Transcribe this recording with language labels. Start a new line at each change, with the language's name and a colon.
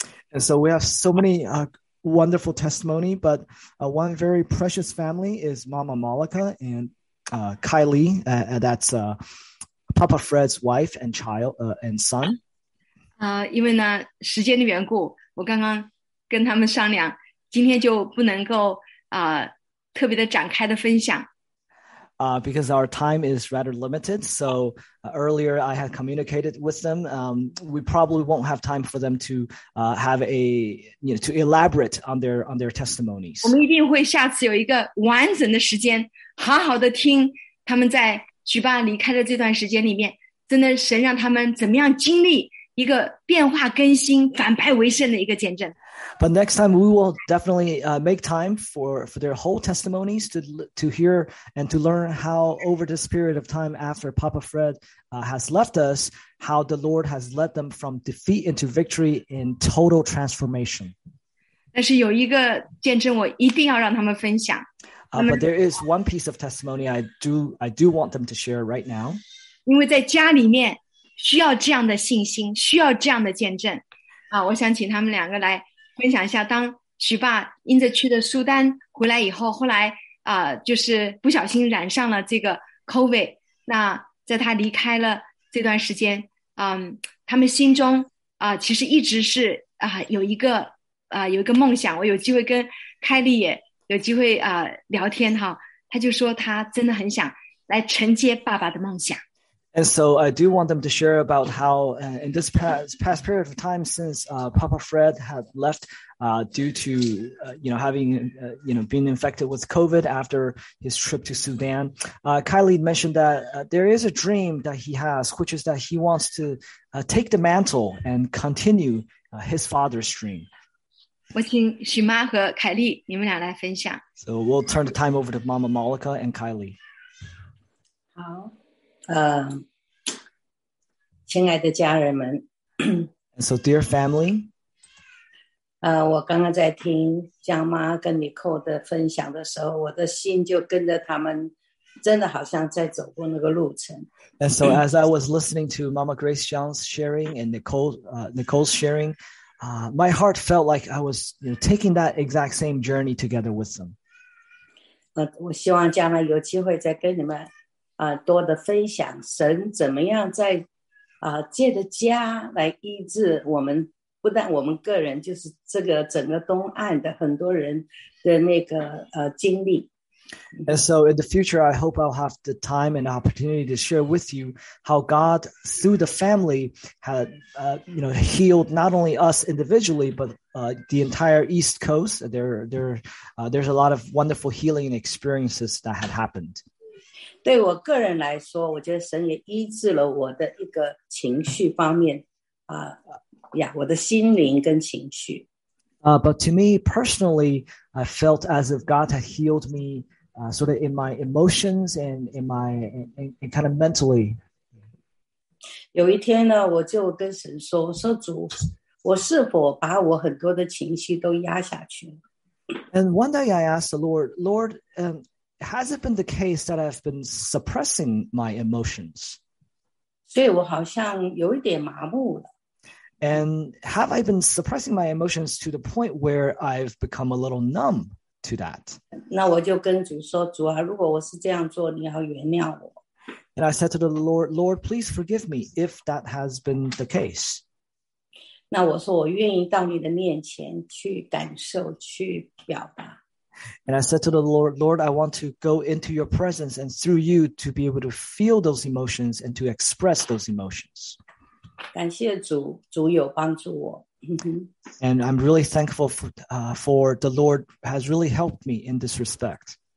English: And so we have so many wonderful testimony, but one very precious family is Mama Malika and Kylie, that's Papa Fred's wife and child and son.
Chinese: 因为呢时间的缘故，我刚刚跟他们商量，今天就不能够特别的展开的分享。
English: Because our time is rather limited, so earlier I had communicated with them. We probably won't have time for them to have a, you know, to elaborate on their testimonies.
Chinese: 我们一定会下次有一个完整的时间，好好的听他们在举办离开的这段时间里面，真的神让他们怎么样经历一个变化更新、反败为胜的一个见证。
English: But next time we will definitely make time for their whole testimonies to hear and to learn how over this period of time after Papa Fred has left us, how the Lord has led them from defeat into victory in total transformation.
Chinese: 但是有一个见证我一定要让他们分享。
English: But there is one piece of testimony I do want them to share right now.
Chinese: 因为在家里面需要这样的信心，需要这样的见证。我想请他们两个来分享一下，当许爸因着去的苏丹回来以后，后来就是不小心染上了这个 COVID， 那在他离开了这段时间，他们心中其实一直是有一个梦想。我有机会跟凯莉也有机会聊天哈，他就说他真的很想来承接爸爸的梦想。
English: And so I do want them to share about how in this past period of time since Papa Fred had left due to, having, been infected with COVID after his trip to Sudan. Kylie mentioned that there is a dream that he has, which is that he wants to take the mantle and continue his father's dream.
Chinese: 我请许妈和凯莉你们俩来分享。
English: So we'll turn the time over to Mama Malika and Kylie.
Chinese: 好。亲爱的家人们
English: And so dear family
Chinese: 我刚刚在听江妈跟妮蔻的分享的时候，我的心就跟着他们，真的好像在走过那个路程。
English: And so as I was listening to Mama Grace Jiang's sharing and Nicole's sharing, my heart felt like I was, you know, taking that exact same journey together with them.
Chinese: 我希望将来有机会再跟你们多的分享神怎么样在借着家来医治我们，不但我们个人，就是这个整个东岸的很多人的那个经历。
English: And so in the future, I hope I'll have the time and opportunity to share with you how God, through the family, had healed not only us individually, but the entire East Coast. There's a lot of wonderful healing experiences that had happened.
Chinese: 对我个人来说, 我觉得神也医治了我的一个情绪方面, yeah,我的心灵跟情绪。
English: But to me personally, I felt as if God had healed me sort of in my emotions and in my in kind of mentally.
Chinese: 有一天呢, 我就跟神说, 我说主, 我是否把我很多的情绪都压下去?
English: And one day I asked the Lord, Lord, has it been the case that I've been suppressing my emotions?
Chinese: 所以我好像有一点麻木了。
English: And have I been suppressing my emotions to the point where I've become a little numb to that?
Chinese: 那我就跟主说,主啊,如果我是这样做,你要原谅我。
English: And I said to the Lord, Lord, please forgive me if that has been the case.
Chinese: 那我说我愿意到你的面前去感受,去表达。
English: And I said to the Lord, Lord, I want to go into your presence and through you to be able to feel those emotions and to express those emotions.
Chinese: 感谢主，主有帮助我。
English: And I'm really thankful for the Lord has really helped me in this respect.